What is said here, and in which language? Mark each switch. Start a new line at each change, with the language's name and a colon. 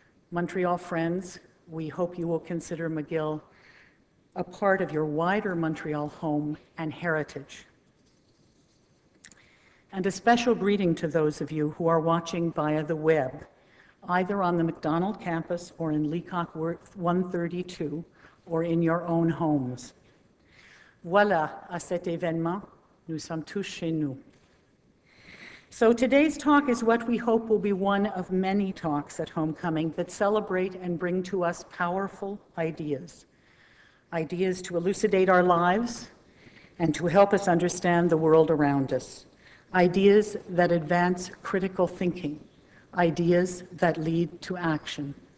English: Montreal friends, we hope you will consider McGill a part of your wider Montreal home and heritage. And a special greeting to those of you who are watching via the web, either on the McDonald campus or in Leacock 132, or in your own homes.
French: Voilà, à cet événement, nous sommes tous chez nous.
English: So today's talk is what we hope will be one of many talks at Homecoming that celebrate and bring to us powerful ideas. Ideas to elucidate our lives and to help us understand the world around us. Ideas that advance critical thinking. Ideas that lead to action.